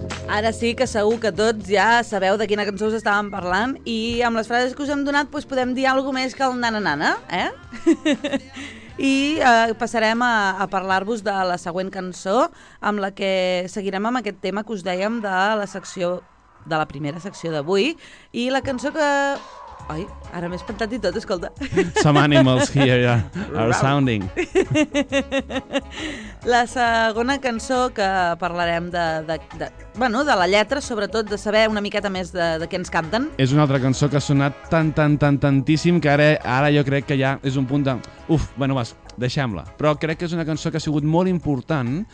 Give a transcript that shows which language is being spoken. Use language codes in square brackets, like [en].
[ca] Ara sí que segur que tots ja sabeu de quina cançó us estàvem parlant i amb les frases que us hem donat doncs podem dir alguna cosa més que el nananana, eh? I passarem a parlar-vos de la següent cançó amb la que seguirem amb aquest tema que us dèiem de la secció, de la primera secció d'avui. I la cançó que Ai, ara m'he espantat i tot, escolta. [en] Some animals here are sounding. [ca] La segona cançó que parlarem de bueno, de la lletra, sobretot de saber una miqueta més de què ens canten. És una altra cançó que ha sonat tantíssim que ara jo crec que ja és un punt de... Uf, bueno, vas, deixem-la. Però crec que és una cançó que ha sigut molt important...